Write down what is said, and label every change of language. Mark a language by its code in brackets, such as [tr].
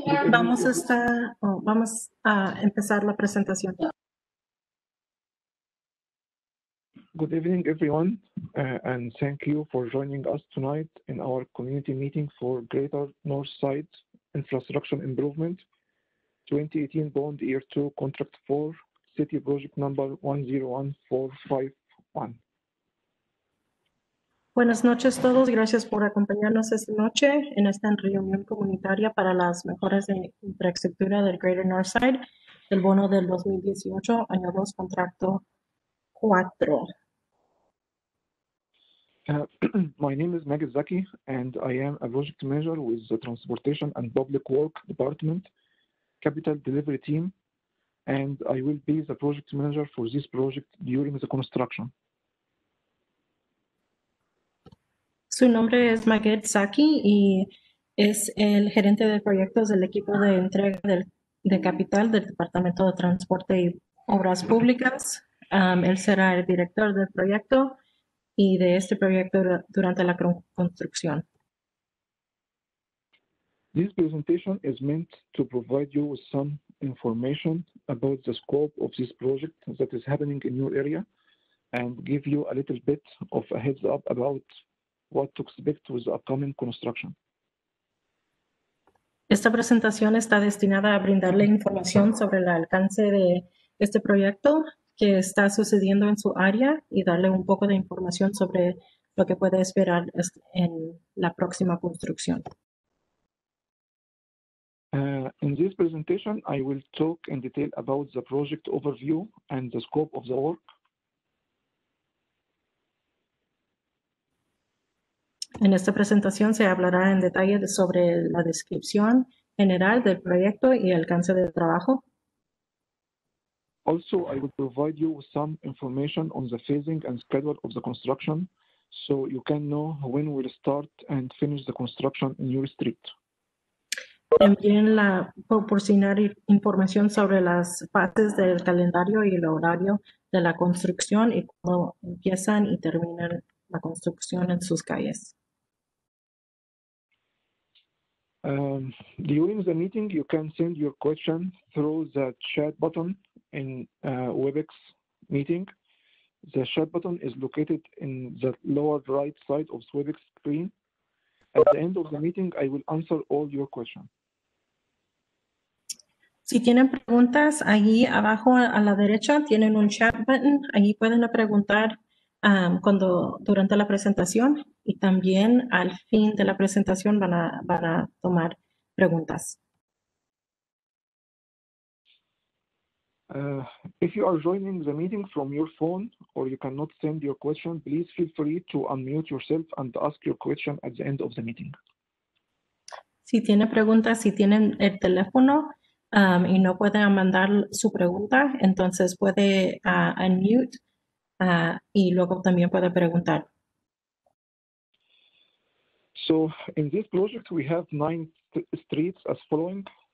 [es] Vamos a estar, vamos a empezar la presentación. [en] Good evening, everyone, and thank you for joining us tonight in our community meeting for Greater Northside Infrastructure Improvement 2018 Bond Year 2 Contract 4, City Project Number 101451. [es] Buenas noches a todos, gracias por acompañarnos esta noche en esta reunión comunitaria para las mejoras de infraestructura del Greater Northside, el bono del 2018, año 2, contrato 4. [en] My name is Maggie Zaki, and I am a project manager with the Transportation and Public Work Department, Capital Delivery Team, and I will be the project manager for this project during the construction. [es] Su nombre es Maggie Zaki y es el gerente de proyectos del equipo de entrega de capital del Departamento de Transporte y Obras Públicas. Él será el director del proyecto y de este proyecto durante la construcción. [en] This presentation is meant to provide you with some information about the scope of this project that is happening in your area and give you a little bit of a heads up about what to expect with the upcoming construction. [es] Esta presentación está destinada a brindarle información sobre el alcance de este proyecto que está sucediendo en su área y darle un poco de información sobre lo que puede esperar en la próxima construcción. [en] In this presentation, I will talk in detail about the project overview and the scope of the work. [es] En esta presentación se hablará en detalle sobre la descripción general del proyecto y el alcance del trabajo. [en] Also, I will provide you with some information on the phasing and schedule of the construction, so you can know when we'll start and finish the construction in your street. [es] También la proporcionar información sobre las fases del calendario y el horario de la construcción y cómo empiezan y terminan la construcción en sus calles. [en] During the meeting, you can send your question through the chat button in WebEx meeting. The chat button is located in the lower right side of the WebEx screen. At the end of the meeting, I will answer all your questions. [es] Si tienen preguntas, ahí abajo a la derecha tienen un chat button. Ahí pueden preguntar durante la presentación y también al fin de la presentación van a tomar preguntas. [en] If you are joining the meeting from your phone or you cannot send your question, please feel free to unmute yourself and ask your question at the end of the meeting. [es] Si tienen preguntas, si tienen el teléfono y no pueden mandar su pregunta, entonces puede unmute y luego también puede preguntar. [en] So, in this project, we have 9 streets as following.